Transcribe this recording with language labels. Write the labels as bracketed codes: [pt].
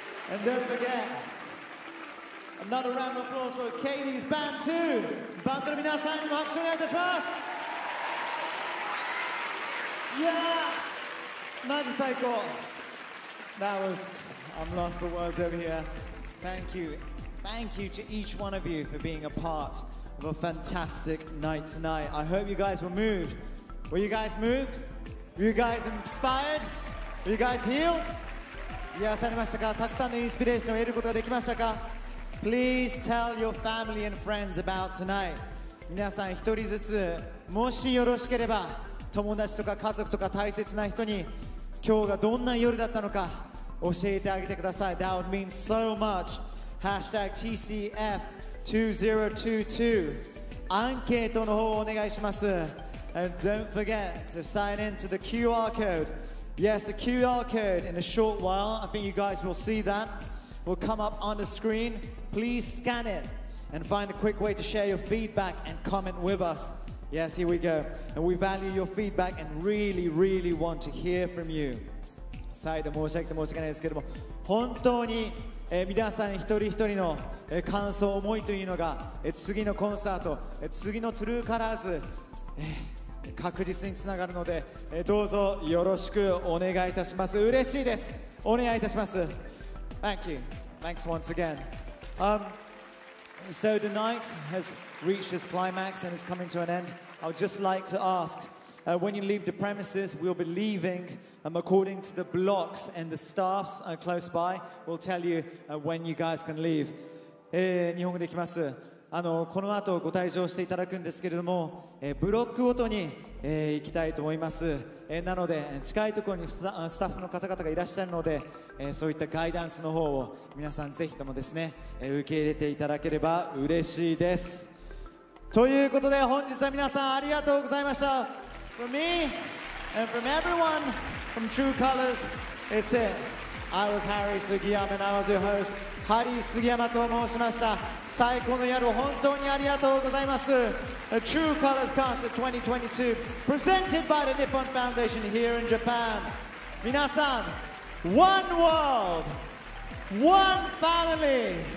[en] And don't forget, another round of applause for Katy's band too! [ja] Bandの皆さんにも拍手をお願いいたします! [en] Yeah! [ja] マジ最高! [en] I'm lost for words over here. Thank you. Thank you to each one of you for being a part of a fantastic night tonight. I hope you guys were moved. Were you guys moved? Were you guys inspired? Were you guys healed? Yeah, [ja] されましたか? たくさんのインスピレーションを得ることができましたか? [en] Please tell your family and friends about tonight. [ja] 皆さん一人ずつ、もしよろしければ、友達とか家族とか大切な人に今日がどんな夜だったのか教えてあげてください。 [en] That would mean so much. Hashtag TCF2022. [ja] アンケートの方をお願いします。 [en] And don't forget to sign in to the QR code. Yes, the QR code in a short while. I think you guys will see that. Will come up on the screen. Please scan it and find a quick way to share your feedback and comment with us. Yes, here we go. And we value your feedback and really, really want to hear from you. [ja] 再度申し上げて申し訳ないですけども、本当に、皆さん一人一人の、感想、思いというのが、次のコンサート、次のトゥルーカラーズ、確実につながるので、どうぞよろしくお願いいたします。嬉しいです。お願いいたします。 [en] Thank you. Thanks once again. So the night has... reached this climax and is coming to an end. I would just like to ask, when you leave the premises, we'll be leaving according to the blocks and the staffs close by. We'll tell you when you guys can leave. [ja] 日本語でいきます。この後ご退場していただくんですけれども、ブロックごとに、行きたいと思います。なので、近いところにスタッフの方々がいらっしゃるので、そういったガイダンスの方を皆さんぜひともですね、受け入れていただければ嬉しいです。ということで本日は皆さんありがとうございました。 [en] For me and from everyone from True Colors, it's it. I was Harry Sugiyama and I was your host, [ja] Harry Sugiyama と申しました。最高の夜を本当にありがとうございます。 [en] A True Colors Concert 2022 presented by the Nippon Foundation here in Japan. [ja] 皆さん、 [en] One World, One Family.